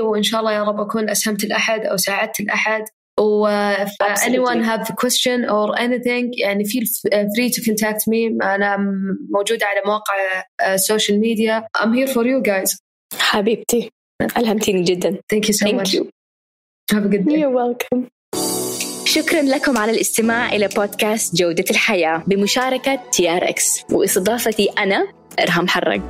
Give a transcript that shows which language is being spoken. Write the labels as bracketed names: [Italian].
[Arabic] وإن شاء الله يا رب أكون أسهمت الأحد أو ساعدت الأحد. [English] وإف anyone have a question or anything، يعني feel free to contact me. [Arabic] أنا موجودة على مواقع social media. [English] I'm here for you guys. [Arabic] حبيبتي. ألهمتيني جدا. [English] Thank you so Thank you. Have a good day. You're welcome. [Arabic] شكرا لكم على الاستماع إلى بودكاست جودة الحياة بمشاركة TRX واستضافتي أنا إرهام حرق.